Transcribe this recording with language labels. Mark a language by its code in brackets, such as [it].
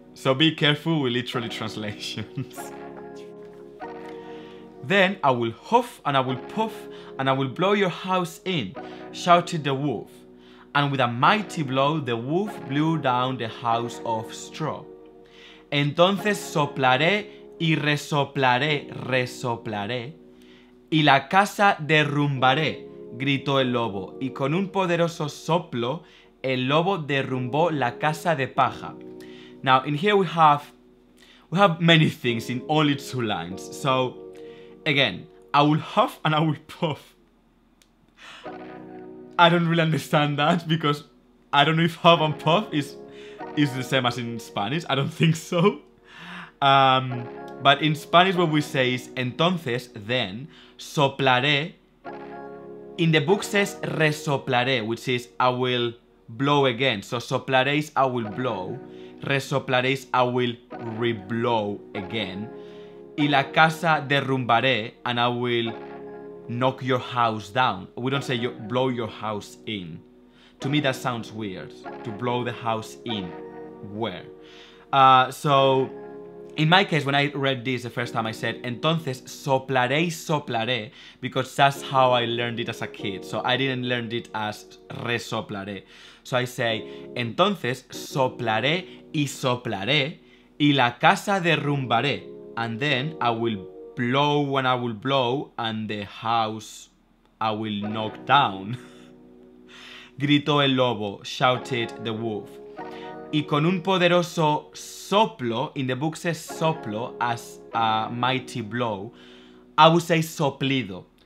[en] So, be careful with literally translations. Then I will huff and I will puff and I will blow your house in, shouted the wolf. And with a mighty blow, the wolf blew down the house of straw. [es] Entonces soplaré y resoplaré, resoplaré, y la casa derrumbaré, gritó el lobo. Y con un poderoso soplo, el lobo derrumbó la casa de paja. [en] Now, in here we have many things in only two lines. So, again, I will huff and I will puff. I don't really understand that, because I don't know if huff and puff is the same as in Spanish. I don't think so. But in Spanish what we say is, entonces, then, soplaré. In the book says resoplaré, which is I will blow again. So soplaré is I will blow. Resoplaré is I will re-blow again. [es] Y la casa derrumbaré, [en] and I will knock your house down. We don't say blow your house in. To me that sounds weird, to blow the house in. Where? So, in my case, when I read this the first time, I said, [es] entonces soplaré y soplaré, [en] because that's how I learned it as a kid. So I didn't learn it as resoplaré. So I say, [es] entonces soplaré y soplaré, y la casa derrumbaré. [en] And then I will blow and I will blow, and the house I will knock down. [es] Gritó el lobo, [en] shouted the wolf. [es] y con un poderoso soplo, [en] in the book says soplo as a mighty blow, I would say soplido.